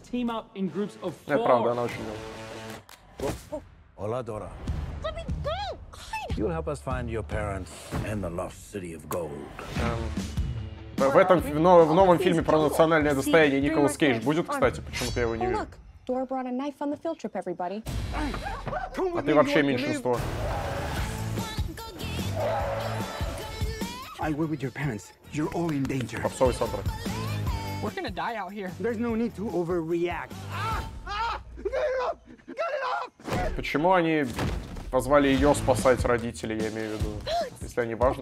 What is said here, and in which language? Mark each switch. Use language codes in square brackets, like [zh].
[ru] Нет, правда, она очень милая. [en] Hola, Dora. Let me go! You'll help us find your parents and the lost city of gold. [ru] В этом, в новом фильме про национальное достояние Николас Кейдж будет, кстати, почему-то я его не вижу. [en] Dora brought a knife on the field trip, everybody. [ru] А ты вообще меньшинство. [en] I will with your parents. You're all in danger. [ru] Попсовый саундтрек. [en] We're gonna die out here. There's no need to overreact. [ru] Почему они позвали ее спасать родителей, я имею в виду, если они важны?